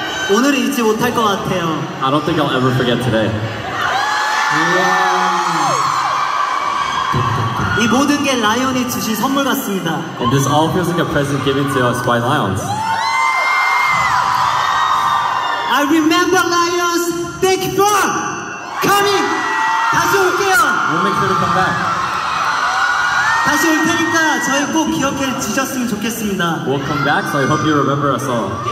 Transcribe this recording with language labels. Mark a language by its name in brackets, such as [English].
[Korean] 오늘은 잊지 못할 것 같아요. [English] I don't think I'll ever forget today. [Korean] 이 모든 게 라이온이 주신 선물 같습니다. [English] And this all feels like a present given to us by lions. I remember lions. Thank you for coming. [Korean] 다시 올게요. [English] We'll make sure to come back. [Korean] 다시 올 테니까 저희 꼭 기억해 주셨으면 좋겠습니다. [English] We'll come back, so I hope you remember us all.